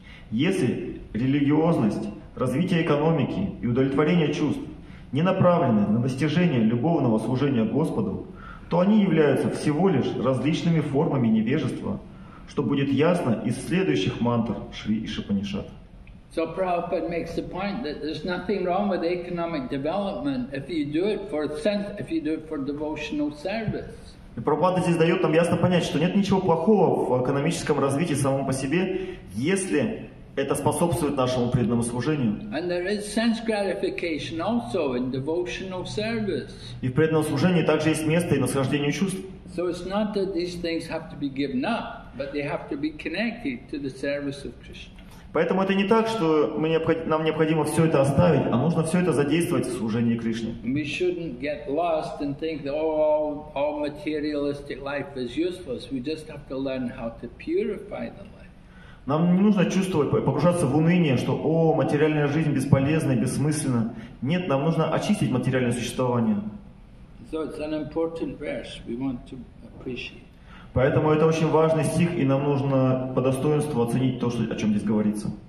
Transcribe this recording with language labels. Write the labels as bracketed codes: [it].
[ru] Если религиозность, развитие экономики и удовлетворение чувств не направлены на достижение любовного служения Господу, то они являются всего лишь различными формами невежества, что будет ясно из следующих мантр Шри и Шупанишад. [en] So Prabhupada makes the point that there's nothing wrong with economic development if you do it for sense, if you do it for devotional service. [ru] И Прабхупада здесь дает нам ясно понять, что нет ничего плохого в экономическом развитии самому по себе, если Это способствует нашему преданному служению. [en] And there is sense gratification also in devotional service. [ru] И в преданном служении также есть место и наслаждение чувств. [en] So it's not that these things have to be given up, but they have to be connected to the service of Krishna. [ru] Поэтому это не так, что мы нам необходимо все это оставить, а нужно все это задействовать в служении Кришне. [en] We shouldn't get lost and think that all materialistic life is useless. We just have to learn how to purify the life. [ru] Нам не нужно чувствовать, погружаться в уныние, что «О, материальная жизнь бесполезна и бессмысленна». Нет, нам нужно очистить материальное существование. So it's an important verse we want to appreciate. Поэтому это очень важный стих, и нам нужно по достоинству оценить то, что, о чем здесь говорится.